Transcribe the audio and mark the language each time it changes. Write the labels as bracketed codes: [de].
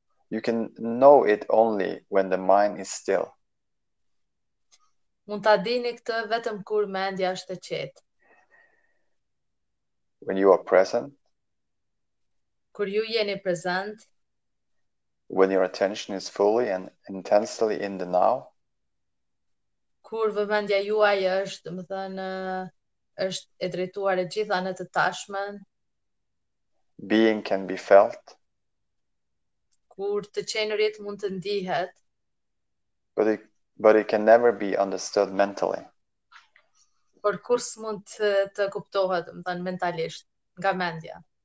[en] You can know it only when the mind is still. [sq] Mund ta dini këtë vetëm kur mendja është e qetë. [en] When you are present. [sq] Kur ju jeni present. [en] When your attention is fully and intensely in the now. [sq] Kur vëmendja juaj është, më thënë, është e drejtuar e gjitha në të tashmen. [en] Being can be felt. [sq] Kur të qenërit mund të ndihet. [en] But it can never be understood mentally. [sq] Por kur s'mund të kuptohet, më thënë, mentalisht, nga mendja.